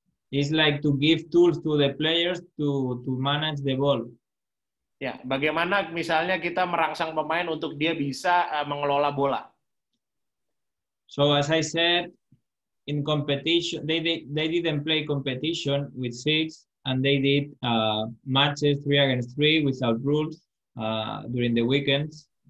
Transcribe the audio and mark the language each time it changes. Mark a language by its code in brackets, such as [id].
[en] It's like to give tools to the players to manage the ball. [id] Ya, bagaimana misalnya kita merangsang pemain untuk dia bisa mengelola bola. [en] So as I said, in competition, they didn't play competition with six, and they did matches three against three without rules during the weekends.